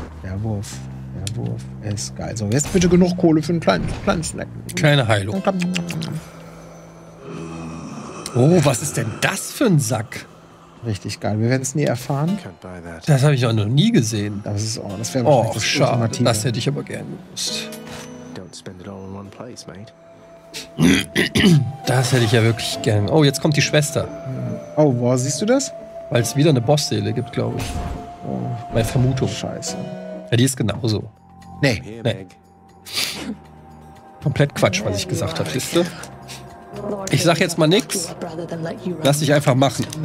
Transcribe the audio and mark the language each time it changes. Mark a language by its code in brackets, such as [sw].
[de] Der Wurf ist geil. So, jetzt bitte genug Kohle für einen kleinen Snack. Kleine Heilung. Oh, was ist denn das für ein Sack? Richtig geil. Wir werden es nie erfahren. Das habe ich auch noch nie gesehen. Das ist oh, das wäre oh, das schade. Ultimative. Das hätte ich aber gerne gewusst. [en] Don't spend it all in one place, mate. [de] Das hätte ich ja wirklich gern. Oh, jetzt kommt die Schwester. Oh, wo siehst du das? Weil es wieder eine Boss-Seele gibt, glaube ich. Oh, meine Vermutung. Scheiße. Ja, die ist genauso. Nee. Komplett Quatsch, was ich gesagt habe, siehst du? Ich sag jetzt mal nix. Lass dich einfach machen.